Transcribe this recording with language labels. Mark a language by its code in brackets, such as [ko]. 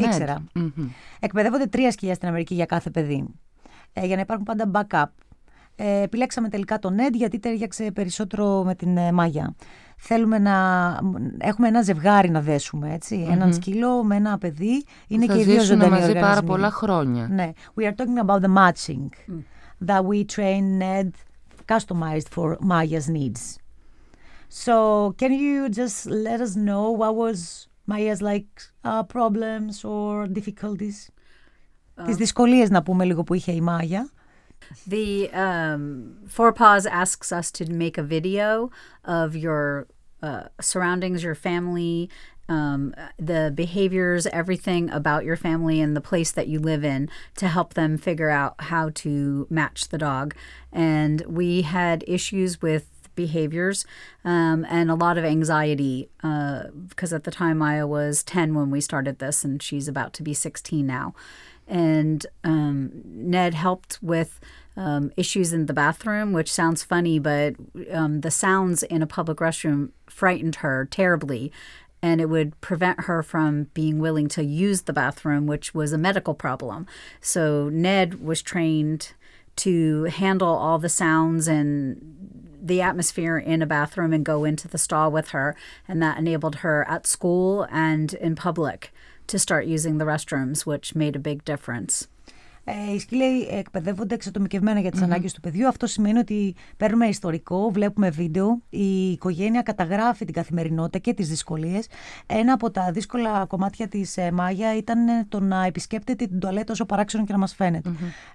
[el] Ήξερα. Mm-hmm. Εκπαιδεύονται 3 σκυλιά στην Αμερική για κάθε παιδί. Για να υπάρχουν πάντα backup. Επιλέξαμε τελικά τον Ned γιατί ταιριάξε περισσότερο με την Μάγια. Θέλουμε να έχουμε ένα ζευγάρι να δέσουμε, έτσι. Mm-hmm. Έναν σκύλο με ένα παιδί. Είναι θα και οι δύο ζωντανοί οργανισμοί. Θα ζήσουν μαζί πάρα πολλά χρόνια. Ναι. [en] We are talking about the matching that we train Ned customized for Maya's needs. So, can you just let us know what was Maya's like problems or difficulties? [el] Τις δυσκολίες, να πούμε λίγο, που είχε η Μάγια. [en] The Forepaws asks us to make a video of your surroundings, your family, the behaviors, everything about your family and the place that you live in, to help them figure out how to match the dog. And we had issues with behaviors and a lot of anxiety because at the time Maya was 10 when we started this and she's about to be 16 now. And Ned helped with issues in the bathroom, which sounds funny, but the sounds in a public restroom frightened her terribly. And it would prevent her from being willing to use the bathroom, which was a medical problem. So Ned was trained to handle all the sounds and the atmosphere in a bathroom and go into the stall with her. And that enabled her at school and in public to start using the restrooms, which made a big difference. [el] Οι σκύλοι εκπαιδεύονται εξατομικευμένα για τις mm-hmm. ανάγκες του παιδιού. Αυτό σημαίνει ότι παίρνουμε ιστορικό, βλέπουμε βίντεο, η οικογένεια καταγράφει την καθημερινότητα και τις δυσκολίες. Ένα από τα δύσκολα κομμάτια της Μάγια ήταν το να επισκέπτεται την τουαλέτα όσο παράξενο και να μας φαίνεται. Mm-hmm.